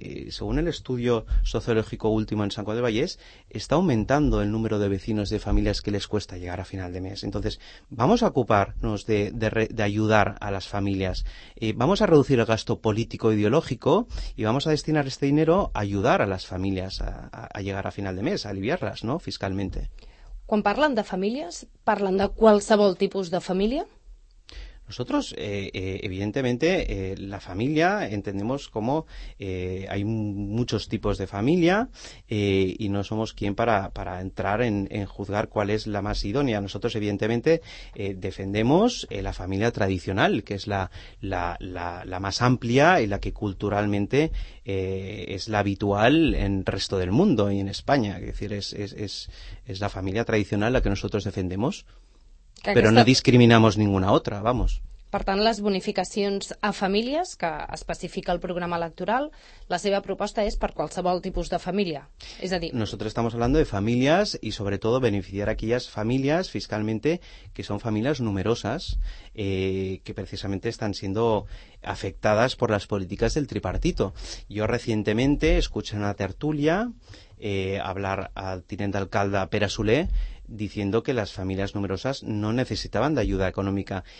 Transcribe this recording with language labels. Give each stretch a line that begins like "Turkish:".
Spanish: Según el estudio sociológico último en San Juan del Vallés, está aumentando el número de vecinos de familias que les cuesta llegar a final de mes. Entonces, vamos a ocuparnos de ayudar a las familias. Vamos a reducir el gasto político ideológico y vamos a destinar este dinero a ayudar a las familias a llegar a final de mes, a aliviarlas, ¿no?, fiscalmente.
Catalan: Quan parlen de famílies, parlen de qualsevol tipus de família?
Spanish: Nosotros, evidentemente, la familia entendemos como hay muchos tipos de familia y no somos quien para entrar en juzgar cuál es la más idónea. Nosotros, evidentemente, defendemos la familia tradicional, que es la más amplia y la que culturalmente es la habitual en el resto del mundo y en España. Es decir, es la familia tradicional la que nosotros defendemos. Però no discriminamos ninguna altra, vamos.
Catalan: Per tant, les bonificacions a famílies, que especifica el programa electoral, la seva proposta és per qualsevol tipus de família. És a dir,
Spanish: nosotros estamos hablando de familias y sobre todo beneficiar a aquellas familias fiscalmente que son familias numerosas que precisamente están siendo afectadas por las políticas del tripartito. Yo recientemente escuché en la tertulia hablar al
Catalan: tinent d'alcalde
Spanish: Pere Soler diciendo que las familias numerosas no necesitaban de ayuda económica.